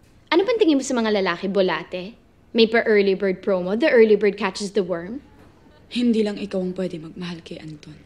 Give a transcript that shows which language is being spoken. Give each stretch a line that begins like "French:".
Filipino: Ano bang tingin mo sa mga lalaki, bolate?
English: May pa-early bird promo, the early bird catches the worm.
Filipino: Hindi lang ikaw ang pwede magmahal kay Anton.